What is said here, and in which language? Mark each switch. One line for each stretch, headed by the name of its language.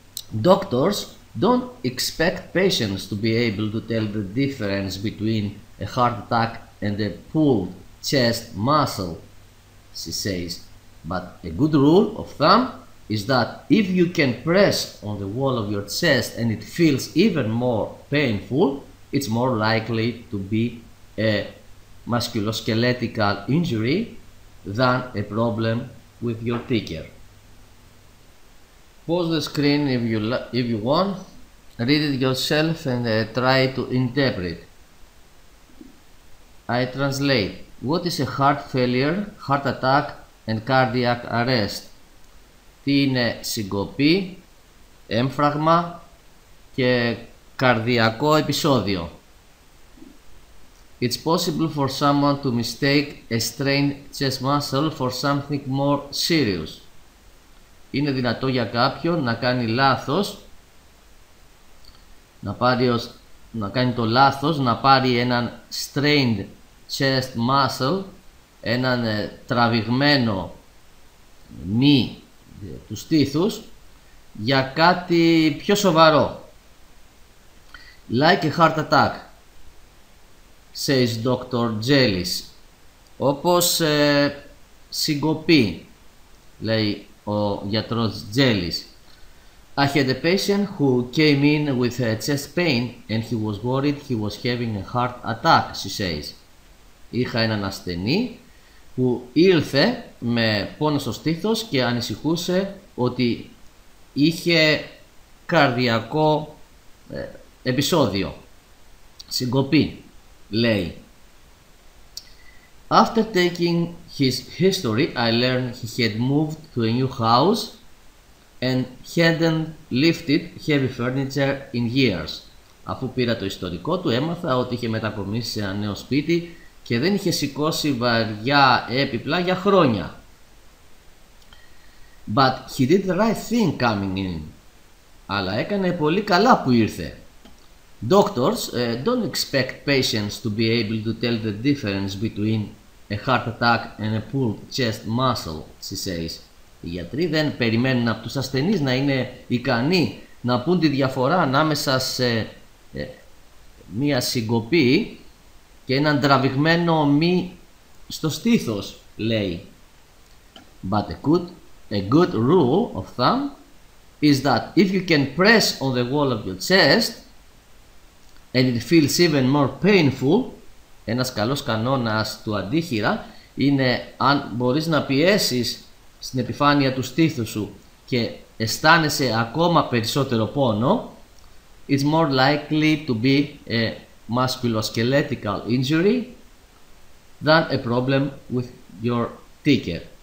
English: Doctors don't expect patients to be able to tell the difference between a heart attack and a pulled chest muscle, she says, but a good rule of thumb is that if you can press on the wall of your chest and it feels even more painful, it's more likely to be a musculoskeletal injury than a problem with your ticker. Pause the screen if you want, read it yourself and try to interpret. I translate. What is a heart failure, heart attack and cardiac arrest?
Greek: Τι είναι συγκοπή, έμφραγμα και καρδιακό επεισόδιο.
English: It's possible for someone to mistake a strained chest muscle for something more serious.
Greek: Είναι δυνατό για κάποιον να κάνει λάθος, να πάρει έναν
English: strained chest muscle,
Greek: έναν τραβηγμένο μη του στήθους, για κάτι πιο σοβαρό.
English: Like a heart attack, says Dr. Jellis.
Greek: Όπως συγκοπή, λέει ο γιατρός Jellis.
English: I had a patient who came in with a chest pain and he was worried he was having a heart attack, she says.
Greek: Είχα έναν ασθενή που ήλθε με πόνο στο στήθος και ανησυχούσε ότι είχε καρδιακό επεισόδιο. Συγκοπή, λέει.
English: After taking his history, I learned he had moved to a new house and hadn't lifted heavy furniture in years.
Greek: Αφού πήρα το ιστορικό του, έμαθα ότι είχε μετακομίσει σε ένα νέο σπίτι και δεν είχε σηκώσει βαριά έπιπλα για χρόνια.
English: But he did the right thing coming in.
Greek: Αλλά έκανε πολύ καλά που ήρθε.
English: Doctors don't expect patients to be able to tell the difference between a heart attack and a pulled chest muscle, she says.
Greek: Οι γιατροί δεν περιμένουν από τους ασθενείς να είναι ικανοί να πούν τη διαφορά ανάμεσα σε μία συγκοπή και έναν τραβηγμένο μυ στο στήθος, λέει.
English: But a good rule of thumb is that if you can press on the wall of your chest and it feels even more painful,
Greek: ένας καλός κανόνας του αντίχειρα είναι αν μπορείς να πιέσεις στην επιφάνεια του στήθους σου και αισθάνεσαι ακόμα περισσότερο πόνο,
English: it's more likely to be a musculoskeletal injury than a problem with your ticker.